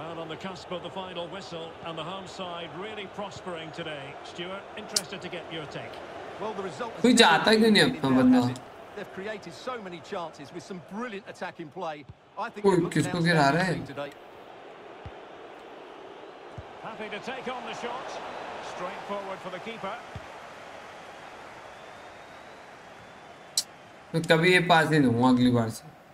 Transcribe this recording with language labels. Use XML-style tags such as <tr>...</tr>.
<en>The cusp of the final whistle, and the home side really prospering today. Stuart, interested to get your take. Well, the result is they've created so many chances with some brilliant attacking play. I think</en> <hi>किसको गिरा रहे हैं?</hi> <en>Happy to take on the shot, straightforward for the keeper.</en> <hi>मैं कभी ये पास नहीं दूंगा अगली बार से.</hi>